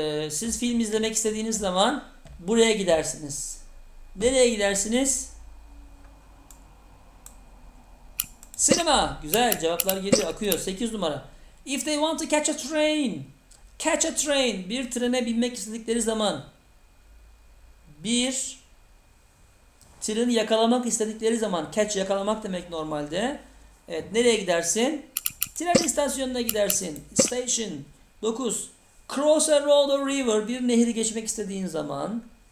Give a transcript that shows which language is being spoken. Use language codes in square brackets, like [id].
[tr] Siz film izlemek istediğiniz zaman buraya gidersiniz. Nereye gidersiniz? Sinema. Güzel cevaplar geliyor, akıyor. 8 numara. [en] If they want to catch a train. Catch a train. [tr] Bir trene binmek istedikleri zaman. Bir tren yakalamak istedikleri zaman. Catch yakalamak demek normalde. Evet, nereye gidersin? Tren istasyonuna gidersin. Station. 9. [en] Cross a road or river. [tr] Bir nehri geçmek istediğin zaman.